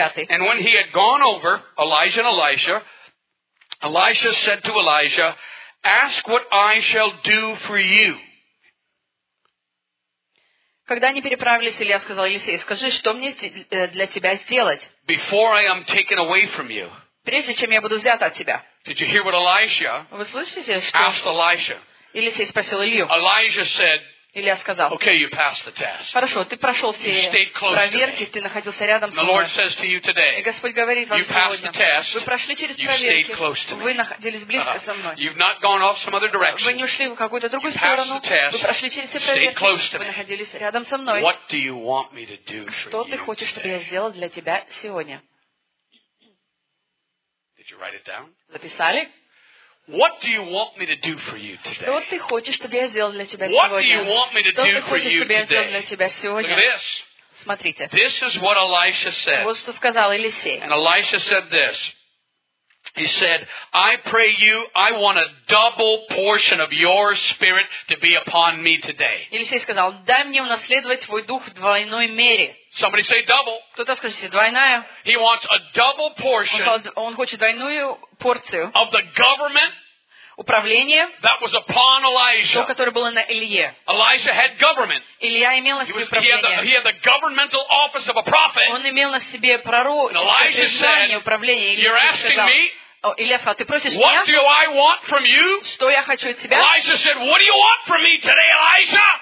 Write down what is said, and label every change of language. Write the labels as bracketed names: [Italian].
[English] And when he had gone over, Elijah and Elisha, Elisha said to Elijah, ask what I shall do for you. [Russian] Когда они переправились, Илья сказал Елисею, скажи, что мне для тебя сделать? [English] Before I am taken away from you. [Russian] Прежде чем я буду взят от тебя. [English] Did you hear what Elisha? [Russian] Вы слышите, что? [English] Asked Elisha. [Russian] Елисей спросил Илью. [English] Elijah said. [Russian] Илья сказал. [English] Okay, you passed the test. [Russian] Хорошо, ты прошел все проверки, ты находился рядом со мной. [English] The Lord says to you today. [Russian] И Господь говорит вам сегодня. [English] You passed the test. [Russian] Вы прошли через проверки. Вы находились близко со мной. [English] You've not gone off some other direction. [Russian] Вы не ушли в какую-то другую сторону. Вы прошли через все проверки. Вы находились рядом со мной. [English] What do you want me to do for you? [Russian] Что ты хочешь, чтобы я сделал для тебя сегодня? [English] Did you write it down? [Russian] Записали? [English] What do you want me to do for you today? [Russian] Что ты хочешь, чтобы я сделал для тебя [English] what [Russian] сегодня? [English] Do you want me to [Russian] что [English] do [Russian] ты хочешь, чтобы я сделал для тебя сегодня? Смотрите. [English] This is what Elisha said. [Russian] Вот что сказал Елисей. [English] And Elisha said this. He said, I pray you, I want a double portion of your spirit to be upon me today. [Russian] Елисей сказал, дай мне унаследовать твой дух в двойной мере. [English] Somebody say double. [Russian] Кто-то скажите, двойная. [English] He wants a double portion. [Russian] Он хочет двойную порцию. [English] Of the government. [Russian] Управление. [English] That was upon Elijah. [Russian] То, которое было на Илье. [English] Elijah had government. [Russian] Илья имел на себе управление. [English] He had the governmental office of a prophet. [Russian] Он имел на себе пророческое управление. [English] You're asking [Russian] сказал, [English] me. [Russian] Илья, ты просишь [English] what [Russian] меня? [English] What do I want from you? [Russian] Что я хочу от тебя? [English] Elijah said, What do you want from me today, Elijah?